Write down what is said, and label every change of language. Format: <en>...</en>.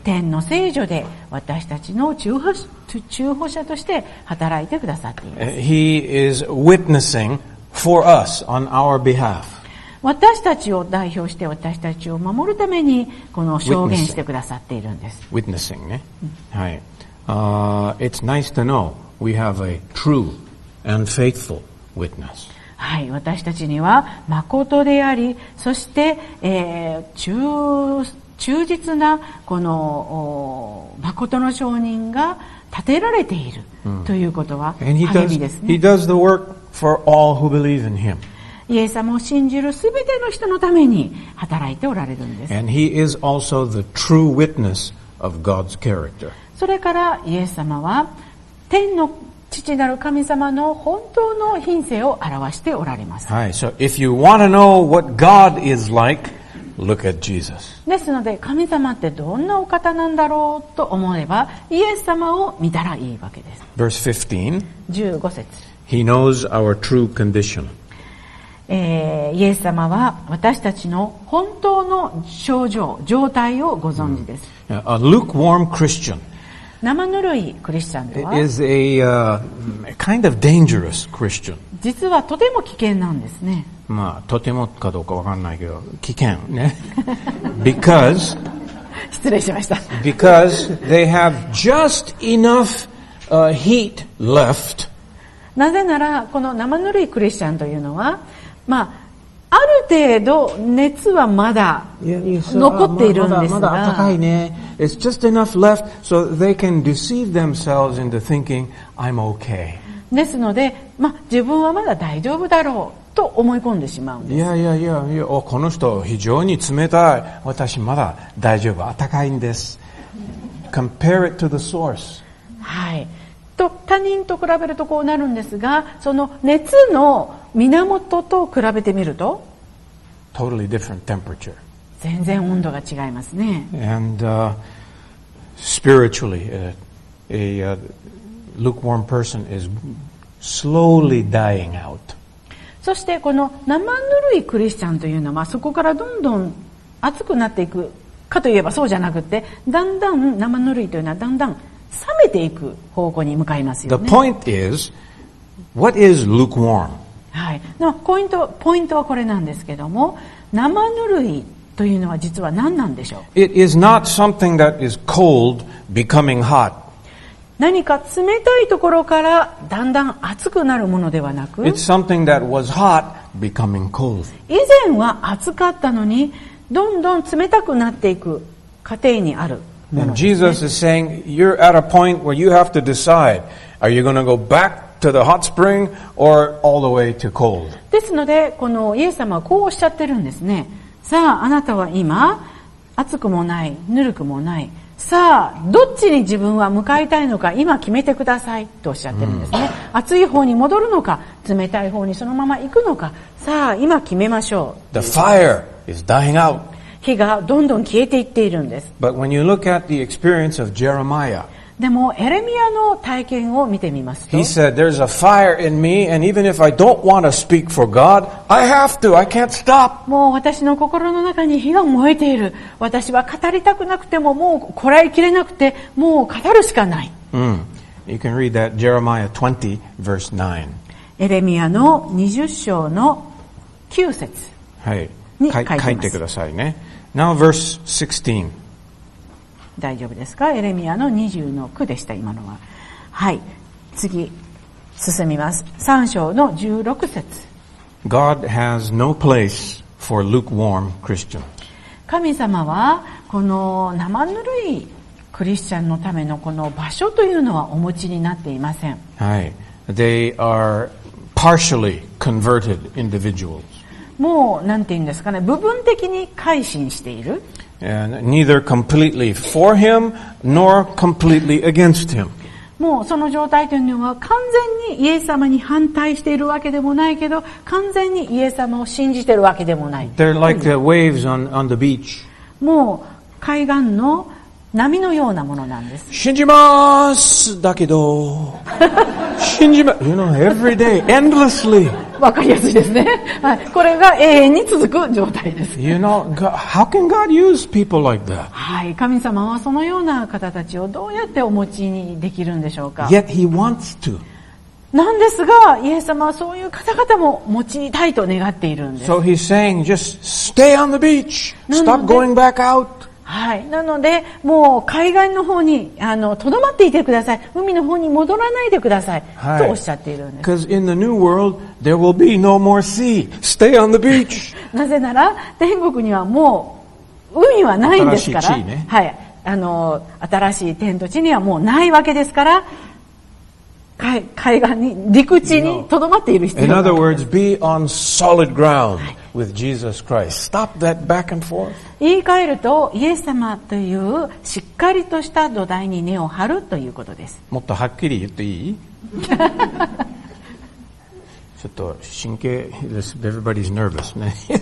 <ja>天の聖所で私たちの中保者として働いてくださっています。</ja> <en>He is witnessing. For us, on our behalf.</en> <ja>私たちを代表して私たちを守るためにこの証言してくださっているんです。 Witnessing ね。はい。</ja> <en>It's nice to know we have a true and faithful witness.</en> <ja>はい。私たちには誠であり、そして、忠実なこの誠の証人が立てられているということは励みですね。</ja> <en>And he does the work. For all who believe in him.</en> <ja>イエス様を信じるすべての人のために働いておられるんです。</ja> <en>And he is also the true witness of God's character.</en> <ja>それからイエス様は天の父なる神様の本当の品性を表しておられます。</ja> <en>はい、so if you want to know what God is like, look at Jesus.</en> <ja>ですので神様ってどんなお方なんだろうと思えばイエス様を見たらいいわけです。</ja> <en>Verse 15</en> <ja>節。</ja> <en>He knows our true condition.</en> <ja>イエス様は私たちの本当の症状、状態をご存知です。</ja> <en>A lukewarm Christian.</en> <ja>生ぬるいクリスチャンでは</ja> <en>is a kind of dangerous Christian.</en> <ja>実はとても危険なんですね。まあ、とてもかどうかわかんないけど、危険ね。</ja> <en>Because</en> <ja>失礼しました。</ja> <en>Because they have just enough heat left.</en> <ja>なぜならこの生ぬるいクリスチャンというのは、まあ、ある程度熱はまだ残っているんですが、まだ暖かいね。</ja> <en>It's just enough left so they can deceive themselves into thinking I'm okay.</en> <ja>ですので、まあ、自分はまだ大丈夫だろう。と思い込んでしまうんです。いや、この人非常に冷たい。私まだ大丈夫。暖かいんです。</ja> <en>Compare it to the source.</en> <ja>はい。と他人と比べるとこうなるんですが、その熱の源と比べてみると、</ja> <en>Totally different temperature.</en> <ja>全然温度が違いますね。</ja> <en>And spiritually, a lukewarm person is slowly dying out.</en> <ja>そしてこの生ぬるいクリスチャンというのは、そこからどんどん熱くなっていくかといえばそうじゃなくて、だんだん生ぬるいというのはだんだん冷めていく方向に向かいますよね。</ja> <en>The point is, what is lukewarm?</en> <ja>はい。のポイントはこれなんですけども、生ぬるいというのは実は何なんでしょう。</ja> <en>It is not something that is cold becoming hot.</en> <ja>何か冷たいところからだんだん熱くなるものではなく、</ja> <en>It's something that was hot becoming cold.</en> <ja>以前は熱かったのに、どんどん冷たくなっていく過程にあるものですね。</ja> <en>And Jesus is saying, you're at a point where you have to decide, are you going to go back to the hot spring or all the way to cold?</en> <ja>ですので、このイエス様はこうおっしゃってるんですね。さあ、あなたは今、熱くもない、ぬるくもない。さあ、どっちに自分は向かいたいのか、今決めてくださいとおっしゃってるんですね。熱い方に戻るのか、冷たい方にそのまま行くのか、さあ、今決めましょう。</ja> <en>The fire is dying out.</en> <ja>火がどんどん消えていっているんです。</ja> <en>But when you look at the experience of Jeremiah,</en> <ja>でも、エレミアの体験を見てみますと、</ja> <en>He said, there's a fire in me, and even if I don't want to speak for God, I have to, I can't stop.</en> <ja>もう私の心の中に火が燃えている。私は語りたくなくても、もうこらえきれなくて、もう語るしかない。</ja> <en>You can read that, Jeremiah 20, verse 9.</en> <ja>エレミアの20章の9節。はい。書いてくださいね。</ja> <en>Now, verse 16.</en> <ja>大丈夫ですか？エレミアの20の9でした、今のは。はい。次、進みます。3章の16節。</ja> <en>God has no place for lukewarm Christian.</en> <ja>神様は、この生ぬるいクリスチャンのためのこの場所というのはお持ちになっていません。はい。</ja> <en>They are partially converted individuals.</en> <ja>もう、なんて言うんですかね、部分的に改心している。</ja> <en>And neither completely for him nor completely against him.</en> <ja>もうその状態というのは完全にイエス様に反対しているわけでもないけど、完全にイエス様を信じているわけでもない。</ja> <en>They're like the waves on the beach.</en> <ja>もう海岸の波のようなものなんです。信じます。だけど、信じます。</ja> <en>You know, every day, endlessly.</en> <ja>わかりやすいですね。はい。これが永遠に続く状態です。</ja> <en>You know, God, how can God use people like that?</en> <ja>はい。神様はそのような方たちをどうやってお持ちにできるんでしょうか。</ja> <en>Yet he wants to.</en> <ja>なんですが、イエス様はそういう方々も持ちたいと願っているんです。</ja> <en>So he's saying, just stay on the beach. Stop going back out.</en> <ja>はい。なので、もう海岸の方に、留まっていてください。海の方に戻らないでください。はい、とおっしゃっているんです。</ja> <en>Because in the new world, there will be no more sea. Stay on the beach.</en> <ja>なぜなら、天国にはもう、海はないんですから。新しい地ね。はい。新しい天と地にはもうないわけですから、海岸に、陸地に留まっている必要がある。</ja> <en>In other words, be on solid ground with Jesus Christ. Stop that back and forth.</en> <ja>言い換えると、イエス様というしっかりとした土台に根を張るということです。もっとはっきり言っていい？ちょっと神経、</ja> <en>this, everybody's nervous</en> <ja>ね。</ja>